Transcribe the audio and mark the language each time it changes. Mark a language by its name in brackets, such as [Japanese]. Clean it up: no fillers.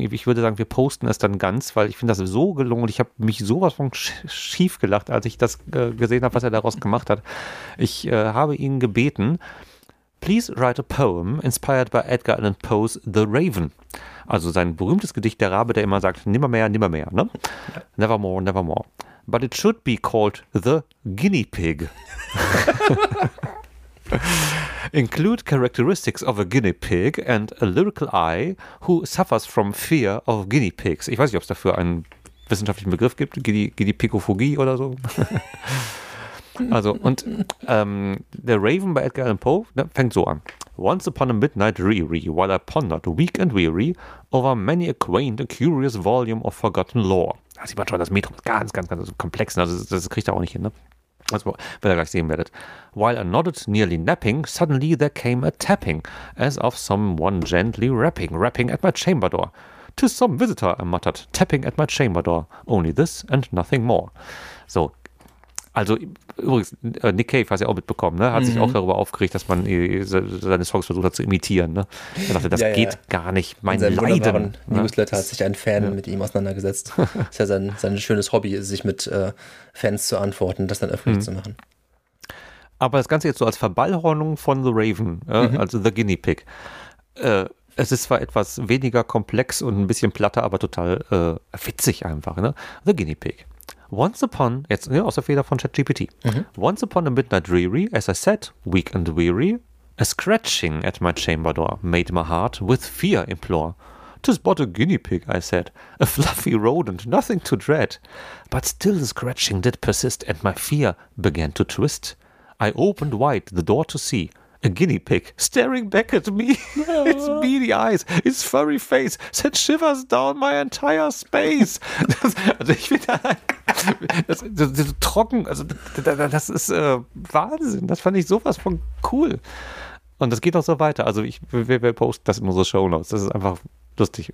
[German] Ich würde sagen, wir posten es dann ganz, weil ich finde das so gelungen und ich habe mich sowas von schief gelacht, als ich das gesehen habe, was er daraus gemacht hat. Ich habe ihn gebeten, [English] please write a poem inspired by Edgar Allan Poe's The Raven. [German] Also sein berühmtes Gedicht, der Rabe, der immer sagt, nimmermehr, nimmermehr, ne? [English] Nevermore, nevermore. But it should be called The Guinea Pig. Include characteristics of a guinea pig and a lyrical eye who suffers from fear of guinea pigs. [German] Ich weiß nicht, ob es dafür einen wissenschaftlichen Begriff gibt, Guinea-Pigophobie oder so. Also, und der Raven bei Edgar Allan Poe, ne, fängt so an. [English] Once upon a midnight dreary, while I pondered, weak and weary, over many a quaint and curious volume of forgotten lore. [German] Da sieht man schon, das Metrum ist ganz, ganz, ganz komplex. Ne? Das kriegt er auch nicht hin, ne? Also, wenn ihr gleich sehen werdet. [English] While I nodded, nearly napping, suddenly there came a tapping, as of someone gently rapping at my chamber door. "'Tis some visitor, I muttered, tapping at my chamber door. Only this and nothing more. [German] So, also übrigens, Nick Cave, hast du ja auch mitbekommen, ne, hat sich auch darüber aufgeregt, dass man seine Songs versucht hat zu imitieren. Ne? Er dachte, das geht gar nicht. Mein Leiden. In seinem Newsletter hat sich ein Fan mit ihm auseinandergesetzt. Das ist ja sein schönes Hobby, sich mit Fans zu antworten, das dann öffentlich zu machen. Aber das Ganze jetzt so als Verballhornung von The Raven, also The Guinea Pig. Es ist zwar etwas weniger komplex und ein bisschen platter, aber total witzig einfach. Ne? The Guinea Pig. Aus der Feder von ChatGPT. [English] Once upon a midnight dreary, as I sat, weak and weary, a scratching at my chamber door made my heart with fear implore. 'Tis but a guinea pig, I said, a fluffy rodent, nothing to dread. But still the scratching did persist, and my fear began to twist. I opened wide the door to see a guinea pig staring back at me. Its beady eyes, its furry face sent shivers down my entire space. [German] Also ich bin da das trocken, also das ist Wahnsinn. Das fand ich sowas von cool. Und das geht auch so weiter. Also wir posten das in unsere Shownotes. Das ist einfach lustig.